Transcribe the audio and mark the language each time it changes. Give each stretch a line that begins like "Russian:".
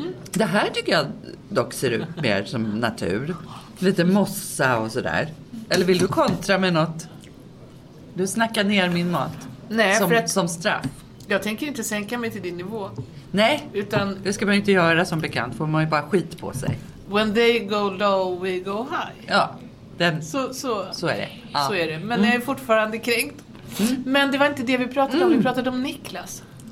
Swedish: Det här tycker jag dock ser ut mer som natur. Lite mossa och sådär. Eller vill du kontra med något? Du snackar ner min mat. Nej, som straff. Jag tänker inte sänka mig till din nivå. Nej, utan det ska man inte göra som bekant. Får man ju bara skit på sig.
English: When they go low, we go high.
Swedish: Ja, så är det. Ja. Så är det, men jag är fortfarande kränkt. Men det var inte det vi pratade om. Vi pratade om Niklas.